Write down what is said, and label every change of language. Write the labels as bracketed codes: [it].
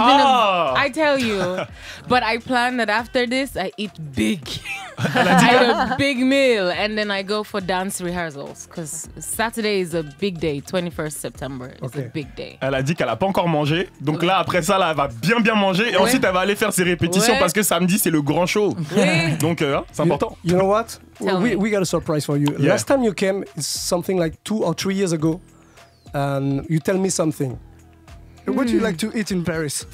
[en] A, I tell you, but I plan that after this, I eat big. I have a big meal, and then I go for dance rehearsals because Saturday is a big day. 21st September is okay. a big day. [fr] Elle a dit qu'elle a pas encore mangé, donc oui. là après ça, là, elle va bien bien manger, et oui. ensuite elle va aller faire ses répétitions oui. parce que samedi c'est le grand show. Oui. Donc c'est important. [en] You know what? Tell we got a surprise for you. Yeah. Last time you came is something like 2 or 3 years ago. You tell me something. Mm. What do you like to eat in Paris?